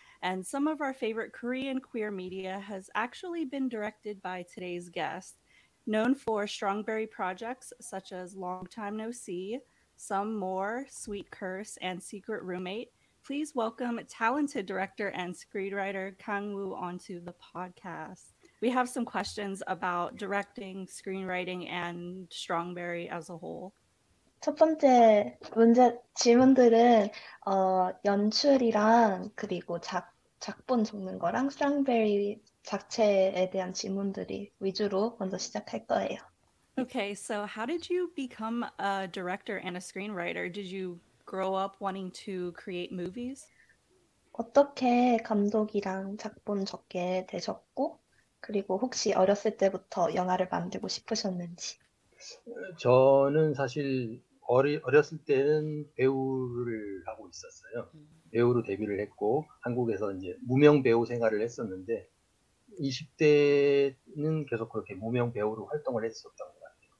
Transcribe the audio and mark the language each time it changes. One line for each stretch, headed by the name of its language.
English: And some of our favorite Korean queer media has actually been directed by today's guest, known for Strongberry projects such as Long Time No See, Some More, Sweet Curse, and Secret Roommate. Please welcome talented director and screenwriter Kang Woo onto the podcast. We have some questions about directing, screenwriting, and Strongberry as a whole.
Korean: 첫 번째 문제 질문들은 연출이랑 그리고 작본 적는 거랑 Strongberry 자체에 대한 질문들이 위주로 먼저 시작할 거예요.
English: Okay, so how did you become a director and a screenwriter? Did you grow up wanting to create movies?
Korean: 어떻게 감독이랑 작본 적게 되셨고 그리고 혹시 어렸을 때부터 영화를 만들고 싶으셨는지? 저는 사실 어렸을 때는 배우를 하고 있었어요. 배우로 데뷔를 했고 한국에서 이제 무명 배우 생활을 했었는데 20대는 계속 그렇게 무명 배우로 활동을 했었던 것 같아요.